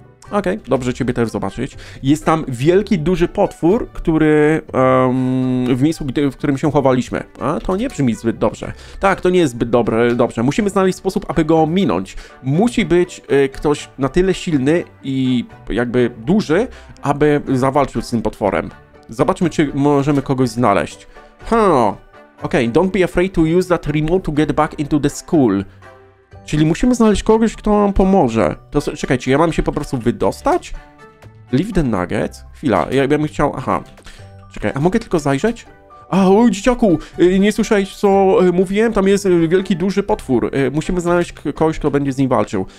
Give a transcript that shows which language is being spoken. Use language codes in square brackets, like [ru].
[pl] Okej, okay, dobrze ciebie też zobaczyć. Jest tam wielki, duży potwór, który w miejscu, w którym się chowaliśmy. A, to nie brzmi zbyt dobrze. Tak, to nie jest zbyt dobre, dobrze. Musimy znaleźć sposób, aby go ominąć. Musi być ktoś na tyle silny i jakby duży, aby zawalczył z tym potworem. Zobaczmy, czy możemy kogoś znaleźć. [en] Okej, okay, don't be afraid to use that remote to get back into the school. [pl] Czyli musimy znaleźć kogoś, kto nam pomoże. To czekajcie, ja mam się po prostu wydostać? [en] Leave the nuggets? [pl] Chwila, ja bym chciał... Aha. Czekaj, a mogę tylko zajrzeć? A, oj, dzieciaku, nie słyszałeś, co mówiłem? Tam jest wielki, duży potwór. Musimy znaleźć kogoś, kto będzie z nim walczył.